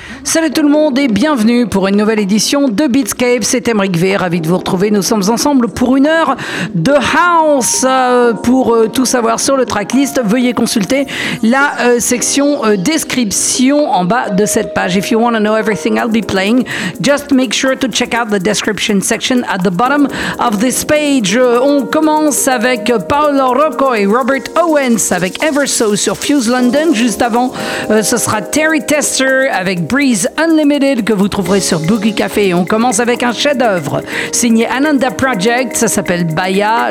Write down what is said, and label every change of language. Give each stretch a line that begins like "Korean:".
French: Salut tout le monde et bienvenue pour une nouvelle édition de Beatscape. C'est Aymeric V, ravi de vous retrouver. Nous sommes ensemble pour une heure de house. Pour tout savoir sur le tracklist, veuillez consulter la section description en bas de cette page.
English: If you want to know everything I'll be playing, just make sure to check out the description section at the bottom of this page.
French: On commence avec PAOLO, ROCCO et Robert Owens avec Ever So sur Fuse London. Juste avant, ce sera Terry Tester avec Breeze Unlimited que vous trouverez sur Boogie Café. On commence avec un chef-d'œuvre signé ANANDA Project, ça s'appelle Bahia.